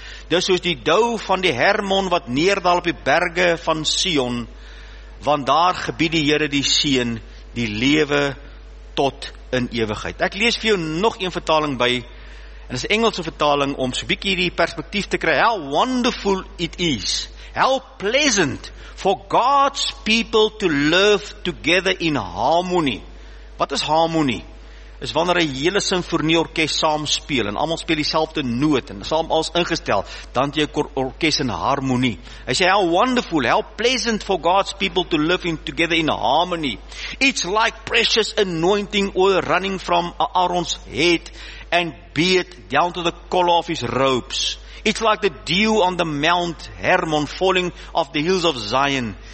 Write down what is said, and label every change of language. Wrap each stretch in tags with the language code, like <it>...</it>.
<af>Dis soos die dou van die Hermon wat neerdal op die berge van Sion, want daar gebied die Here die seën, die lewe tot in ewigheid. Ek lees vir jou nog een vertaling by, en dis 'n Engelse vertaling om so 'n bietjie hierdie perspektief te kry.</af> <en>How wonderful it is. How pleasant for God's people to live together in harmony.</en> <af>Wat is harmonie? Is wanneer 'n hele simfonieorkes saam speel en almal speel dieselfde noot en saam als ingestel, dan het jy 'n orkes in harmonie. Hy sê,</af> <en>how wonderful, how pleasant for God's people to live in together in harmony. It's like precious anointing oil running from Aaron's head and beard down to the collar of his robes. It's like the dew on the Mount Hermon falling off the hills of Zion.</en>